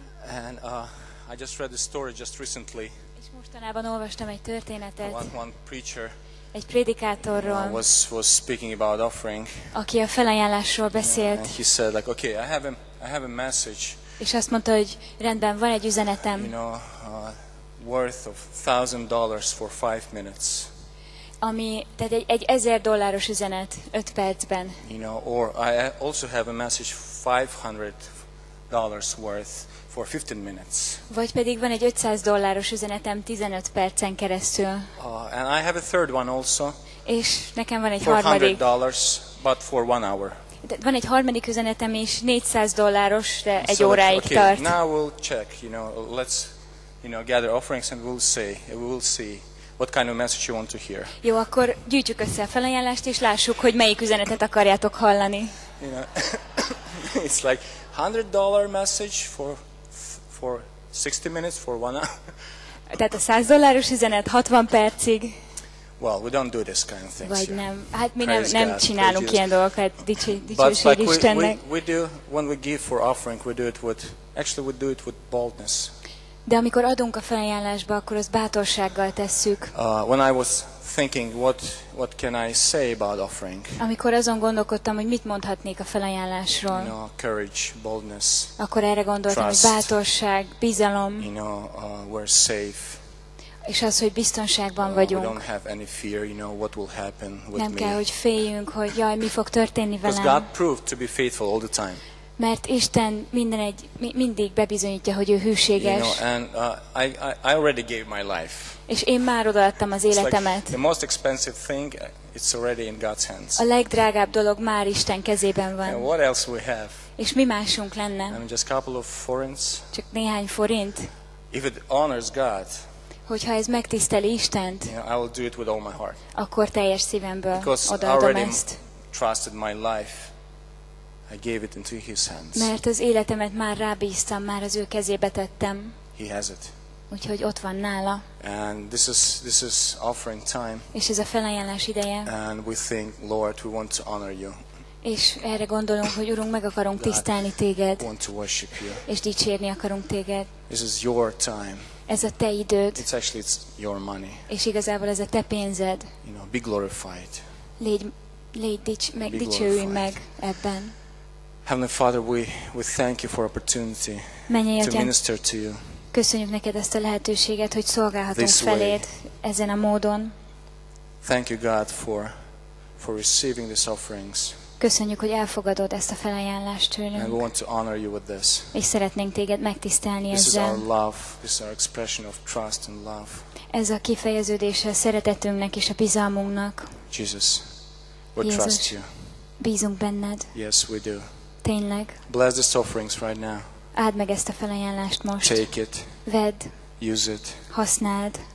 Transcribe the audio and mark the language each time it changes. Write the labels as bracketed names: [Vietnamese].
[English] And I just read a story just recently. [Hungarian] És mostanában olvastam egy történetet. [English] One preacher. [Hungarian] Egy prédikátorról. [English] Was speaking about offering. [Hungarian] Aki a felajánlásról beszélt. [English] And he said like, okay, I have a message. [Hungarian] És azt mondta, hogy rendben, van egy üzenetem. [English] You know, worth of $1,000 for 5 minutes. [Hungarian] Ami, tehát egy $1,000 üzenet 5 percben. [English] You know, or I also have a message $500 worth for 15 minutes. [Hungarian] Vagy pedig van egy $500 üzenetem 15 percen keresztül. [English] And I have a third one also. [Hungarian] És nekem van egy harmadik. [English] $400, but for 1 hour. [Hungarian] Van egy harmadik üzenetem is $400, de egy óráig tart. [English] Now we'll check, you know, let's, you know, gather offerings and we'll see what kind of message you want to hear. [Hungarian] Jó, akkor gyűjtjük össze a felajánlást és lássuk, hogy melyik üzenetet akarjátok hallani. [English] You know, it's like $100 message for 60 minutes for 1 hour. [Hungarian] Tehát a $100 üzenet 60 percig. [English] Well, we don't do this kind of things. [Hungarian] Vagy nem. Hát mi nem csinálunk ilyen dolgokat. Dicsőség Istennek. [English] But we do when we give for offering, we do it with boldness. [Hungarian] De amikor adunk a felajánlásba, akkor azt bátorsággal tesszük. [English] When I was thinking what can I say about offering? [Hungarian] Amikor azon gondolkodtam, hogy mit mondhatnék a felajánlásról. [English] You know, courage, boldness. [Hungarian] Akkor erre gondoltam, [English] trust, [Hungarian] hogy bátorság, bizalom. [English] You know, we're safe. [Hungarian] És az, hogy biztonságban vagyunk. [English] We don't have any fear, you know, what will happen with me. [Hungarian] Nem kell, hogy féljünk, hogy jaj, mi fog történni velem. [English] Because God proved to be faithful all the time. [Hungarian] Mert Isten mindig bebizonyítja, hogy ő hűséges. [English] You know, and I already gave my life. [Hungarian] És én már odaadtam az életemet. [English] Like the most expensive thing, it's already in God's hands. [Hungarian] A legdrágább dolog már Isten kezében van. [English] And what else we have? [Hungarian] És mi másunk lenne? [English] I mean, just a couple of forints. [Hungarian] Csak néhány forint. [English] If it honors God. [Hungarian] Hogyha ez megtiszteli Istent. [English] You know, I will do it with all my heart. [Hungarian] Akkor teljes szívemből odaadom ezt. [English] Because I already trusted my life. I gave it into his hands. [Hungarian] Mert az életemet már rábíztam, már az ő kezébe tettem. [English] He has it. [Hungarian] Úgyhogy ott van nála. [English] And this is offering time. [Hungarian] És ez a felajánlás ideje. [English] And we think, Lord, we want to honor you. [Hungarian] És erre gondolunk, hogy Urunk, meg akarunk tisztelni téged. [English] We want to worship you. [Hungarian] És dicsérni akarunk téged. [English] This is your time. [Hungarian] Ez a te időd. [English] It's your money. [Hungarian] És igazából ez a te pénzed. [English] You know, be glorified. [Hungarian] Dicsőülj meg ebben. [English] Heavenly Father, we thank you for opportunity to minister to you. [Hungarian] Köszönjük neked ezt a lehetőséget, hogy szolgálhatunk feléd ezen a módon. [English] Thank you God for receiving these offerings. [Hungarian] Köszönjük, hogy elfogadod ezt a felajánlást tőlünk. [English] And we want to honor you with this. [Hungarian] És szeretnénk téged megtisztelni ezzel. [English] This is our love. This is our expression of trust and love. [Hungarian] Ez a kifejeződése a szeretetünknek és a bizalmunknak. [English] Jesus, we trust you. [Hungarian] Bízunk benned. [English] Yes, we do. [Hungarian] Tényleg. [English] Bless these offerings right now. [Hungarian] Áld meg ezt a felajánlást most. [English] Take it. [Hungarian] Vedd. [English] Use it. [Hungarian] Használd.